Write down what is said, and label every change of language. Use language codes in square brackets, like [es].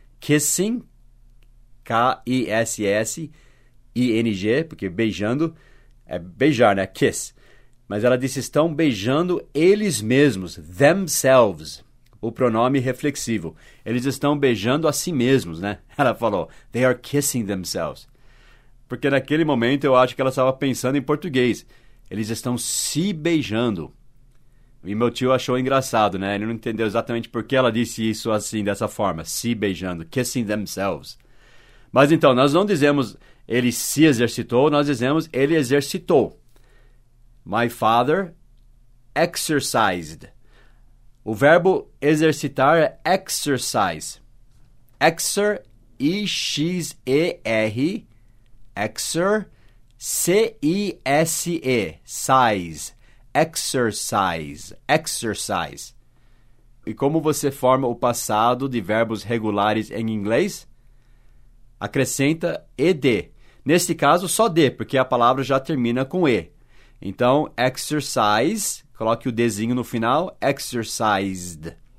[pt] Kissing, K-I-S-S-I-N-G, porque beijando é beijar, né? Kiss. Mas ela disse, estão beijando eles mesmos, themselves. O pronome reflexivo. Eles estão beijando a si mesmos, né? Ela falou, [en] they are kissing themselves. [pt] Porque naquele momento eu acho que ela estava pensando em português. Eles estão se beijando. E meu tio achou engraçado, né? Ele não entendeu exatamente por que ela disse isso assim, dessa forma. Se beijando, [en] kissing themselves. [pt] Mas então, nós não dizemos ele se exercitou, nós dizemos ele exercitou. [en] My father exercised. [pt] O verbo exercitar é exercise. [en] Exer, E-X-E-R, exer, C-I-S-E, size, exercise, exercise. [pt] E como você forma o passado de verbos regulares em inglês? Acrescenta ed. Neste caso, só d, porque a palavra já termina com e. Então, exercise... Coloque o dzinho no final, exercised.